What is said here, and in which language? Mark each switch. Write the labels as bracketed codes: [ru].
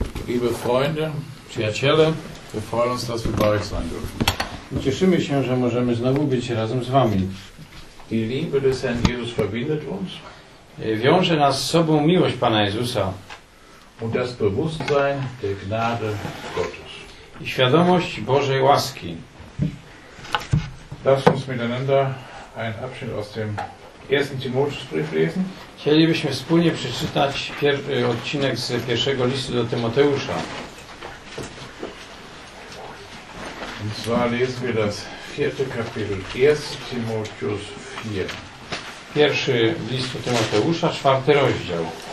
[de] liebe Freunde, [pl] przyjaciele, [de] wir freuen uns, dass wir bei euch sein dürfen. [pl] Cieszymy się, że możemy znowu być razem z wami. [de] Die Liebe des Herrn Jesus verbindet uns. [pl] Wiąże nas z sobą miłość Pana Jezusa. [de] Und das Bewusstsein der Gnade Gottes. [pl] I świadomość Bożej łaski. [de] Lasst uns miteinander einen Abschnitt aus dem 1. Timotheusbrief lesen. [pl] Chcielibyśmy wspólnie przeczytać odcinek z pierwszego listu do Tymoteusza. [de] Und zwar lesen wir das 4. Kapitel 1. Timotheus 4. [pl] Pierwszy list do Tymoteusza, 4. rozdział.